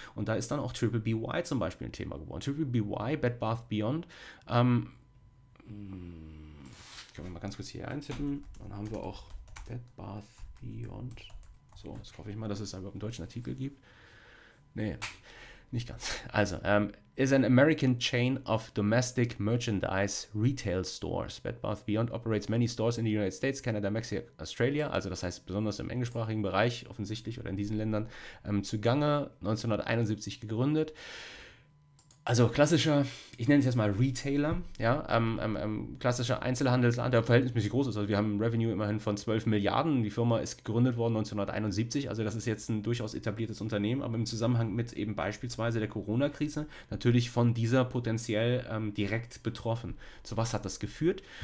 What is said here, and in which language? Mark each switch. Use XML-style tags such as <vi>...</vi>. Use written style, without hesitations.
<de>Und da ist dann auch Triple BY zum Beispiel ein Thema geworden. Triple BY, Bed Bath Beyond. Können wir mal ganz kurz hier eintippen. Dann haben wir auch Bed Bath Beyond. So, jetzt hoffe ich mal, dass es da überhaupt einen deutschen Artikel gibt. Nee, nicht ganz.</de> <en>Also, is an American chain of domestic merchandise retail stores. Bed Bath Beyond operates many stores in the United States, Canada, Mexico, Australia.</en> <de>Also, das heißt, besonders im englischsprachigen Bereich offensichtlich oder in diesen Ländern zugange. 1971 gegründet. Also klassischer, ich nenne es jetzt mal Retailer, ja, klassischer Einzelhandelsladen, der verhältnismäßig groß ist. Also wir haben ein Revenue immerhin von 12 Milliarden. Die Firma ist gegründet worden 1971, also das ist jetzt ein durchaus etabliertes Unternehmen, aber im Zusammenhang mit eben beispielsweise der Corona-Krise natürlich von dieser potenziell direkt betroffen. Zu was hat das geführt?</de>